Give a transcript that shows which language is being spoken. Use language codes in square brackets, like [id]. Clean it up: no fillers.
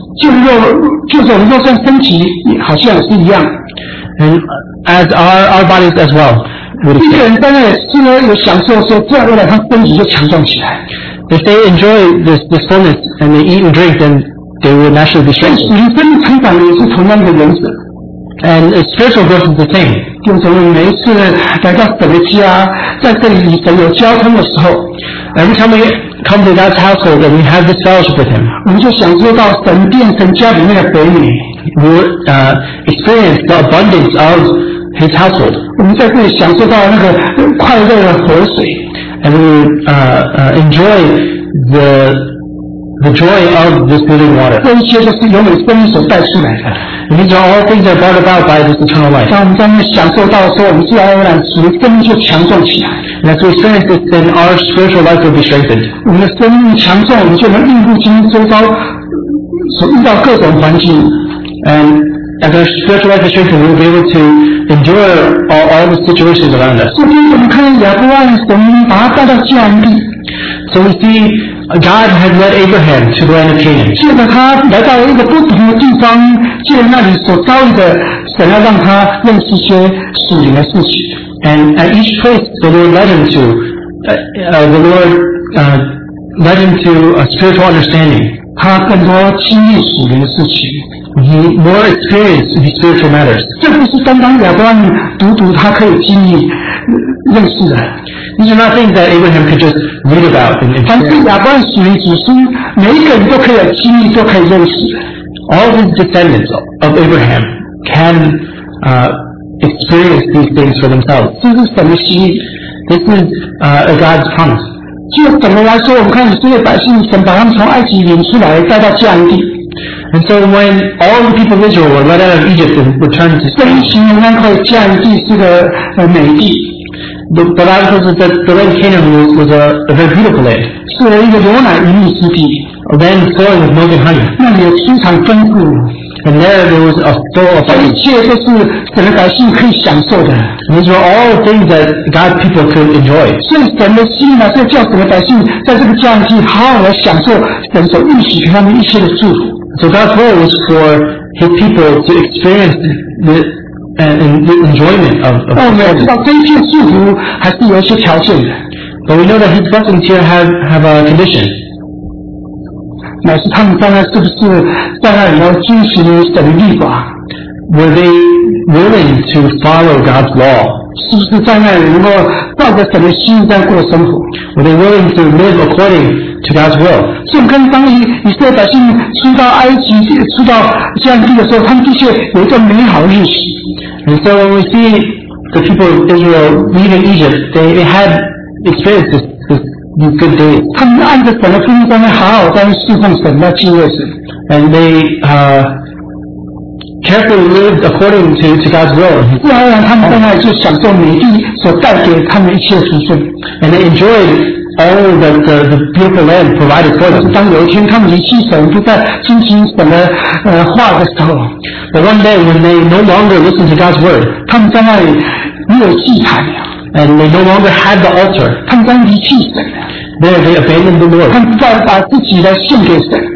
[zh] 就是我们肉身身体好像是一样。 [en] And as our bodies as well. [zh] 一个人在那里吃了有享受的时候，自然而然他身体就强壮起来。 [en] If they enjoy this fullness and they eat and drink, then they will naturally be strengthened. [zh] 灵性成长也是同样的原则。 [en] And spiritual growth is the same. [zh] 就是我们每一次来到神的家，在这里与神有交通的时候 [en] ，Every time we come to God's household and we have this fellowship with Him, [zh] 我们就享受到神殿、神家里面的美丽。 [en] We experience the abundance of His household. [zh] 我们在这里享受到那个快乐的河水 [en] ，and we enjoy the joy of this living water. [zh] 这一切就是由你生命所带出来的。 [en] These are all things that are brought about by this eternal life. [zh] 当我们在那里享受到的时候，我们自然而然属灵生命就强壮起来。 [en] And as we experience this, then our spiritual life will be strengthened. [zh] 我们的生命强壮，我们就能应付今周遭所遇到各种环境。 [en] And as our spiritual life is strengthened, we will be able to endure all the situations around us. [zh] 所以我们看亚伯拉罕神把他带到迦南地。 [en] So we see God has led Abraham to the land of Canaan. [zh] 接着他来到一个不同的地方，借那里所遭遇的，神要让他认识一些属灵的事情。 [en] And at each place the Lord led him to, the Lord led him to a spiritual understanding. [zh] 他更多经历属灵的事情。 [en] He more experienced in spiritual matters. [zh] 这不是单单亚伯拉罕读读他可以经历认识的。 [en] These are not things that Abraham could just read about and experience. [zh] 凡是亚伯拉罕属灵子孙，每一个人都可以经历，都可以认识。 [en] All his descendants of Abraham can experience these things for themselves. [zh] 这是神的心意。 [en] This is God's promise. [zh] 就怎么来说，我们看以色列百姓，神把他们从埃及领出来，带到迦南地。 [en] And so when all the people of Israel were led out of Egypt and returned to [zh] Canaan, 真心的那块迦南地是个美地。 [en] The Bible says that the land of Canaan was a very beautiful land. [zh] 是一个牛奶与蜜之地。 [en] A land flowing with milk and honey. [zh] 那里有出产丰富。 [en] And there was a store of [zh] food. 一切都是神的百姓可以享受的。 [en] These were all things that God's people could enjoy. [zh] 所以神的心呢，是叫神的百姓在这个迦南地好好的享受神所应许给他们一切的祝福。 [en] So God's will was for His people to experience the enjoyment of the But we know that His blessings here have a condition. [zh] 乃是他们当然是不是在那里要遵循神的律法 [en] Were they willing to follow God's law. [zh] 是不是在那里能够照着神的心意这样过生活？ [en] Were they willing to live according to God's will? [zh] 是跟当以色列百姓出到埃及、出到迦南地的时候，他们的确有一个美好的日子。 [en] And so when we see the people of Israel leaving Egypt, they had experienced this good day. [zh] 他们按着神的吩咐在那好好在那侍奉神，那敬畏神。 [en] And they carefully lived according to God's will. [zh] 自然而然他们在那里就享受美地所带给他们一切福分。 [en] And they enjoyed all the beautiful land provided for them. [zh] 当有一天他们离弃神，不再遵循神的话的时候。 [en] But one day when they no longer listen to God's word, [zh] 他们在那里没有祭坛了, [en] and they no longer had the altar, [zh] 他们在那里离弃神了, [en] they abandoned the Lord. [zh] 他们不再把自己来献给神,